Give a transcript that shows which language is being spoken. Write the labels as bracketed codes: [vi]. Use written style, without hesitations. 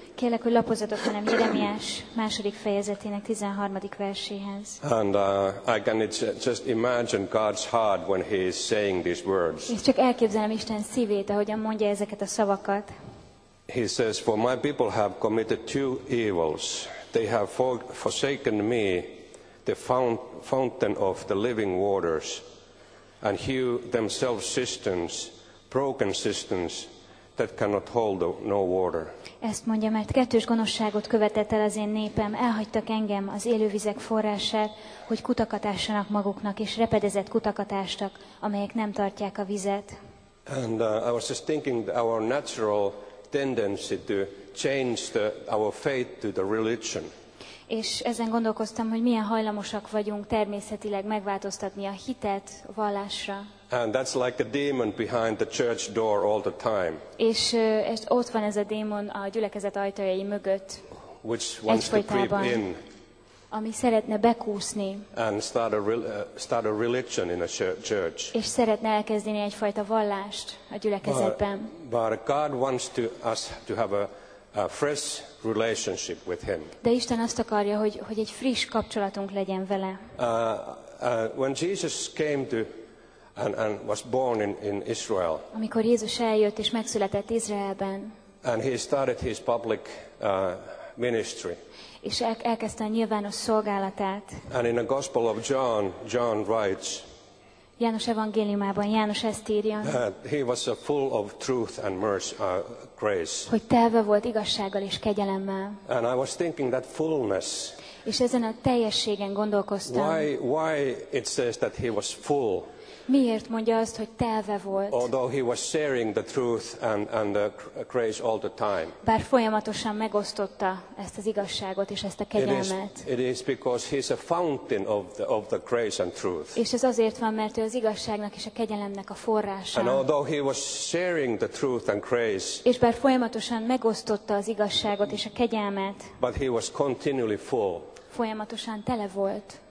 [hu] Kérlek, hogy lapozzatok hanem Jeremiás második fejezetének 13. verséhez. [en] And I can just imagine God's heart when he is saying these words. [hu] És csak elképzelem Isten szívét, ahogyan mondja ezeket a szavakat. [en] He says, for my people have committed two evils. They have forsaken me, the fountain of the living waters, and hew themselves cisterns, broken cisterns that cannot hold no water. [hu] Ezt mondja, mert kettős gonoszságot követett el az én népem, elhagytak engem az élővizek forrását, hogy kutakatássanak maguknak, és repedezett kutakatástak, amelyek nem tartják a vizet. [en] And I was just thinking our natural tendency to change our faith to the religion. [hu] És ezen gondolkoztam, hogy milyen hajlamosak vagyunk természetileg megváltoztatni a hitet vallásra. [en] And that's like a demon behind the church door all the time. [hu] És ott van ez a démon a gyülekezet ajtajai mögött. [en] Which wants egyfolytában, to creep in. [hu] Ami szeretne bekúszni. [en] And start a religion in a church. [hu] És szeretne elkezdeni egyfajta vallást a gyülekezetben. [en] But God wants to us to have a fresh relationship with him. [hu] De Isten azt akarja, hogy egy friss kapcsolatunk legyen vele. [en] When Jesus came to and was born in Israel. [hu] Amikor Jézus eljött és megszületett Izraelben. [en] And he started his public ministry. [hu] És elkezdte a nyilvános szolgálatát. [en] And in the Gospel of John, John writes. [hu] János evangéliumában János ezt írja. [en] He was full of truth and mercy, grace. [hu] Hogy telve volt igazsággal és kegyelemmel. [en] And I was thinking that fullness. [hu] És ezen a teljességen gondolkoztam. [en] Why it says that he was full? [hu] Miért mondja azt, hogy telve volt? [en] Although he was sharing the truth and the grace all the time. [hu] Bár folyamatosan megosztotta ezt az igazságot és ezt a kegyelmet. [en] It is because he's a fountain of the grace and truth. [hu] És ez azért van, mert ő az igazságnak és a kegyelemnek a forrása. [en] And although he was sharing the truth and grace. [hu] És bár folyamatosan megosztotta az igazságot és a kegyelmet. [en] But he was continually full. [hu] Folyamatosan tele volt.